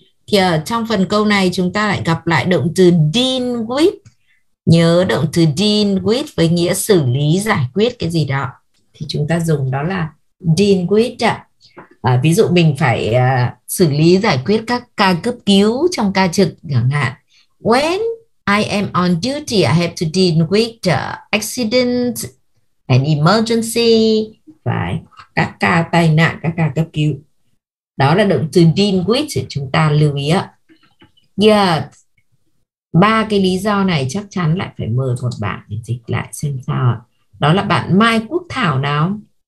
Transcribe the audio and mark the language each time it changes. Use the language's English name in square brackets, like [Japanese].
[Vietnamese] Thì ở trong phần câu này chúng ta lại gặp lại động từ deal with. Nhớ động từ deal with với nghĩa xử lý, giải quyết cái gì đó. Thì chúng ta dùng đó là deal with ạ. À, ví dụ mình phải xử lý giải quyết các ca cấp cứu trong ca trực chẳng hạn. [English] When I am on duty, I have to deal with accidents and emergency. [Vietnamese] Phải, các ca tai nạn, các ca cấp cứu. Đó là động từ deal with, chúng ta lưu ý ạ. Yeah. Ba cái lý do này chắc chắn lại phải mời một bạn để dịch lại xem sao. Đó là bạn Mai Quốc Thảo nào.